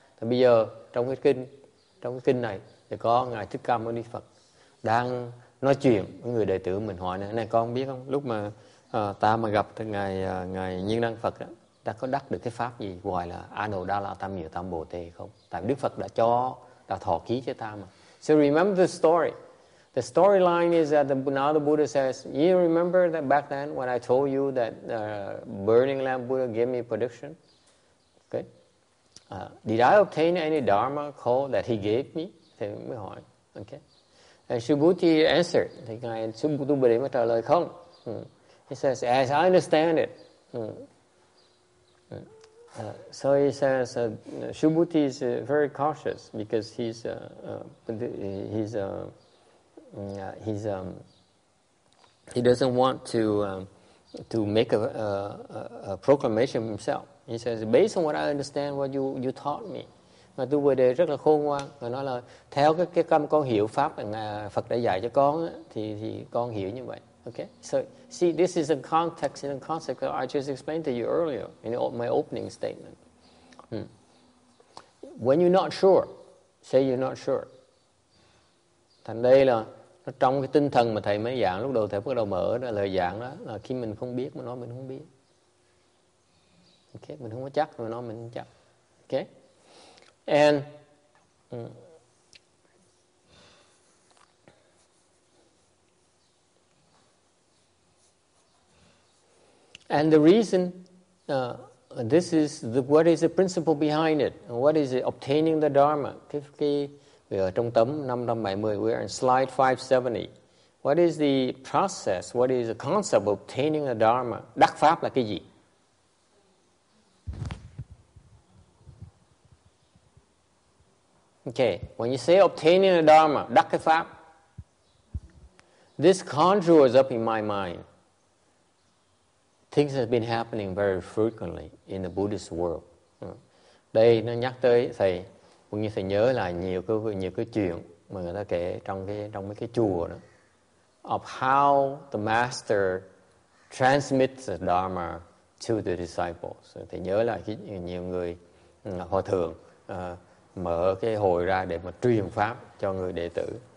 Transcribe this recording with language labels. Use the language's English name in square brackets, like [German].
[Vietnamese] Thì bây giờ trong cái kinh này thì có ngài Thích Ca Mâu Ni Phật đang nói chuyện với người đệ tử mình, hỏi này con biết không, lúc mà ta mà gặp ngài Nhiên Năng Phật á, ta có đắc được cái pháp gì gọi là Anodala Tam Nhiều Tam Bồ Tề không? Tại Đức Phật đã thọ ký cho ta mà. [English] So remember the story. The storyline is that now the Buddha says, you remember that back then when I told you that Burning Lamp Buddha gave me a prediction? Okay. Did I obtain any Dharma call that he gave me? [Vietnamese] Thì mới hỏi. [English] Okay. And Subhuti answered. [Vietnamese] Thì ngài Subhuti Bồ Đề mới trả lời không? [English] He says, as I understand it, so he says, Subhuti is very cautious because he doesn't want to make a proclamation himself. He says, based on what I understand, what you taught me, [Vietnamese] mà tu Bồ Đề rất là khôn ngoan, và nói là theo cái căn con hiểu pháp mà Phật đã dạy cho con á, thì con hiểu như vậy. [English] Okay, so see, this is a context and a concept that I just explained to you earlier in my opening statement. When you're not sure, say you're not sure. [Vietnamese] Thành đây là nó trong cái tinh thần mà thầy mới giảng, lúc đầu thầy bắt đầu mở ra lời giảng đó, là khi mình không biết mà nói mình không biết. Okay, mình không có chắc mà nói mình không chắc. [English] Okay, and and the reason, this is the, what is the principle behind it? What is it? Obtaining the Dharma. We are [Vietnamese] trong tấm [English] 570, we are in slide 570. What is the process? What is the concept of obtaining the Dharma? [Vietnamese] Đắc pháp là cái gì? [English] Okay, when you say obtaining the Dharma, [Vietnamese] đắc cái pháp, [English] this conjures up in my mind. Things have been happening very frequently in the Buddhist world. [Vietnamese] Đây nó nhắc tới thầy, cũng như thầy nhớ là nhiều cái chuyện mà người ta kể trong mấy cái chùa đó. [English] Of how the master transmits the Dharma to the disciples. [Vietnamese] Thầy nhớ là nhiều người hòa thượng mở cái hội ra để mà truyền pháp cho người đệ tử.